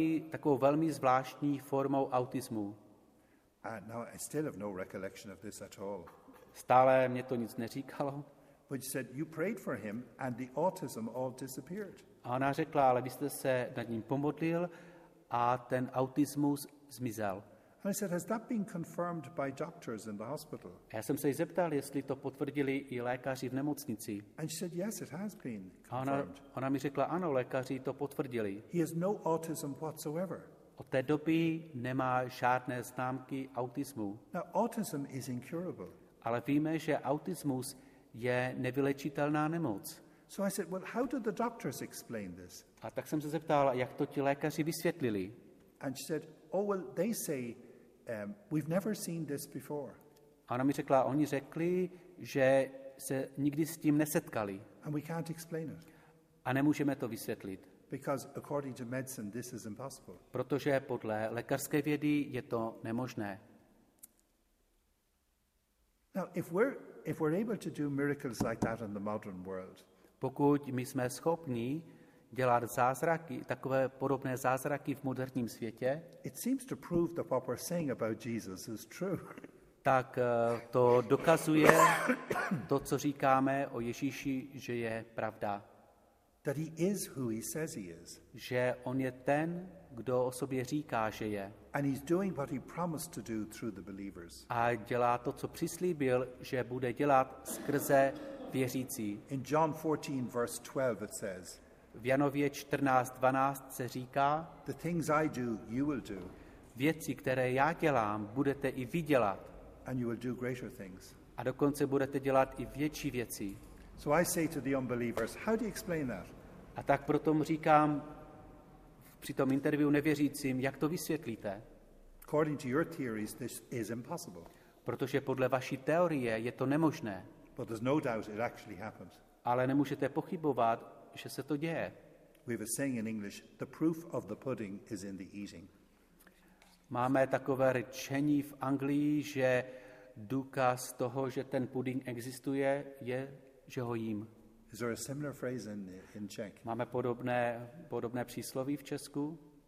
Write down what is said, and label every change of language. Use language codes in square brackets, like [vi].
[cs] Takovou velmi zvláštní formou autismu. [en] And now I still have no recollection of this at all. [cs] Stále mě to nic neříkalo. [en] But you said you prayed for him and the autism all disappeared. [cs] A ona řekla, ale vy jste se nad ním pomodlil a ten autismus zmizel. [en] And I said, has that been confirmed by doctors in the hospital? [cs] A já jsem se jí zeptal, jestli to potvrdili i lékaři v nemocnici. [en] And she said, yes, it has been confirmed. [cs] Ona mi řekla, ano, lékaři to potvrdili. [en] He has no autism whatsoever. [cs] Od té doby nemá žádné známky autismu. [en] Now, autism is incurable. [cs] Ale víme, že autismus je nevylečitelná nemoc. [en] So I said, well, how do the doctors explain this? [cs] A tak jsem se zeptal, jak to ti lékaři vysvětlili. [en] And she said, oh, well, they say, we've never seen this before. [cs] A ona mi řekla, oni řekli, že se nikdy s tím nesetkali. [en] And we can't explain it. [cs] A nemůžeme to vysvětlit. [en] Because according to medicine, this is impossible. [cs] Protože podle lékařské vědy je to nemožné. [en] Now, if we're able to do miracles like that in the modern world, [cs] pokud my jsme schopni dělat zázraky, takové podobné zázraky v moderním světě, [en] it seems to prove that what we're saying about Jesus is true. [cs] Tak to dokazuje to, co říkáme o Ježíši, že je pravda. [en] That he is who he says he is. [cs] Že on je ten, kdo o sobě říká, že je. [en] And he's doing what he promised to do through the believers. [cs] A dělá to, co přislíbil, že bude dělat skrze věřící. [en] In John 14, verse 12, it says, [cs] v Janově 14:12 se říká, [en] the things I do, you will do. [cs] Věci, které já dělám, budete i vy dělat. [en] And you will do greater things. [cs] A dokonce budete dělat i větší věci. [en] So I say to the unbelievers, how do you explain that? [cs] A tak proto říkám při tom interview nevěřícím, jak to vysvětlíte? [en] According to your theories, this is impossible. [cs] Protože podle vaší teorie je to nemožné. [en] But there's no doubt it actually happens. [cs] Ale nemůžete pochybovat, že se to děje. [en] We have a saying in English, the proof of the pudding is in the eating. [cs] Máme takové řečení v Anglii, že důkaz toho, že ten puding existuje, je, že ho jím. [en] Is there a similar phrase in Czech? [cs] Máme podobné přísloví v Česku?